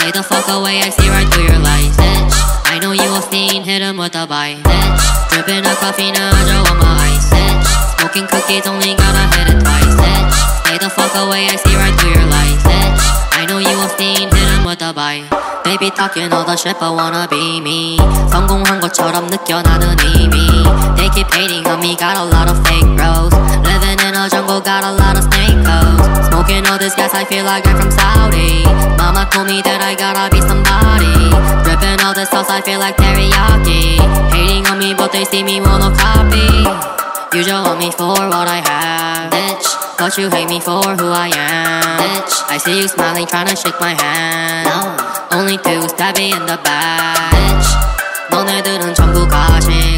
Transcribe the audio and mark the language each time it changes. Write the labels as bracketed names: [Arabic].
[English] Stay the fuck away, I see right through your lies, bitch. I know you a fiend, hit him with a bite, bitch. Drippin' a coffee now, I draw on my ice, bitch. Smoking cookies only got a hit it twice, bitch. Stay the fuck away, I see right through your lies, bitch. I know you a fiend, hit him with a bite. Baby talking all the shit, but wanna be me. [Korean] 성공한 것처럼 느껴 나는 이미. [English] They keep hating on me, got a lot of fake bros. Jungle got a lot of snake hoes Smoking all this gas, I feel like I'm from Saudi Mama told me that I gotta be somebody Dripping all this sauce, I feel like teriyaki Hating on me, but they see me, wanna copy You just want me for what I have, bitch But you hate me for who I am, bitch I see you smiling, trying to shake my hand Only to stab me in the back, bitch [Korean] 너네들은 전부 가식